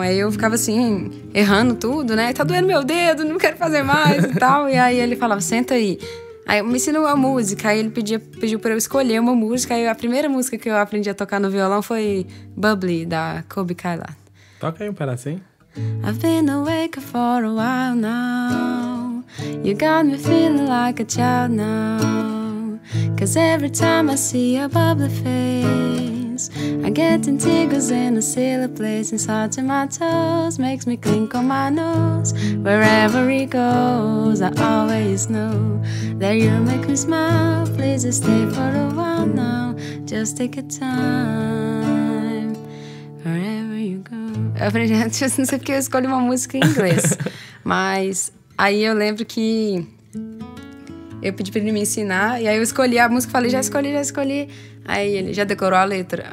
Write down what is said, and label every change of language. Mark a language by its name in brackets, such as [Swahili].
[Portuguese] Aí eu ficava assim, errando tudo, né? Tá doendo meu dedo, não quero fazer mais e tal. E aí ele falava, senta aí. Aí me ensinou uma música, aí ele pediu pra eu escolher uma música. Aí a primeira música que eu aprendi a tocar no violão foi Bubbly, da Kobe Kylan. Toca aí um pedacinho. [English] I've been awake for a while now. You got me feeling like a child now. Cause every time I see a bubbly face, I get in tingles in a silly place. Inside to my toes, makes me clink on my nose. Wherever he goes, I always know. There you make me smile, please stay for a while now. Just take a time, wherever you go. [Portuguese] Eu falei, gente, não sei porque eu escolhi uma música em inglês. Mas aí eu lembro que eu pedi pra ele me ensinar. E aí eu escolhi a música, falei, já escolhi. Aí ele já decorou a letra.